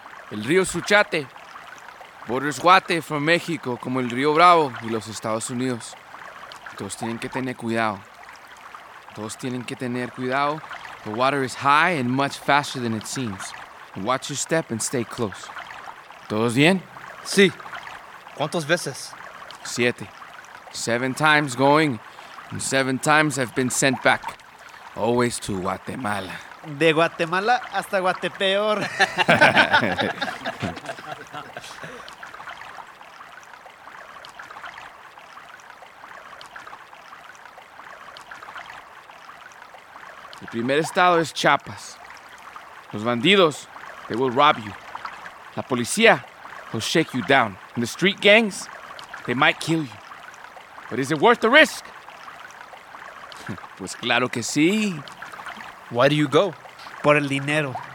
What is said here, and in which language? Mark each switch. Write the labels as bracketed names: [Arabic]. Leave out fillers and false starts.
[Spanish] El río Suchate [English] borders Guate from Mexico, [Spanish] como el río Bravo y los Estados Unidos. Todos tienen que tener cuidado. Todos tienen que tener cuidado. [English] The water is high and much faster than it seems. Watch your step and stay close. [Spanish] ¿Todos bien? Sí. ¿Cuántos veces? Siete. [English] 7 times going, and 7 times I've been sent back. Always to Guatemala. [Spanish] De Guatemala hasta Guatepeor. El primer estado es Chiapas. Los bandidos, [English] they will rob you. [Spanish] La policía [English] will shake you down. And the street gangs, they might kill you. But is it worth the risk? [Spanish] Pues claro que sí. [English] Why do you go? [Spanish] Por el dinero.